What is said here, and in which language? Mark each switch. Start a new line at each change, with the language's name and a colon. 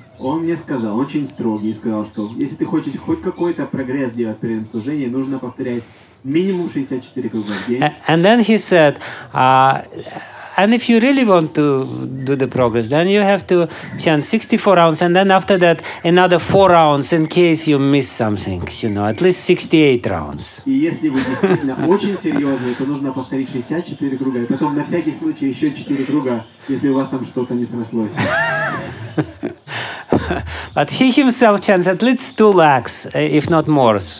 Russian: Он мне сказал очень строгий, сказал, что если ты хочешь хоть какой-то прогресс делать в преданном служении, нужно повторять минимум 64 круга в день.
English: And then he said, and if you really want to do the progress, then you have to chant 64 rounds, and then after that another 4 rounds in case you miss something, you know, at least 68 rounds.
Russian: И если вы действительно очень серьезны, то нужно повторить 64 круга, и потом на всякий случай еще 4 круга, если у вас там что-то не срослось.
English: But he himself chants at least 2 lakhs, if not more.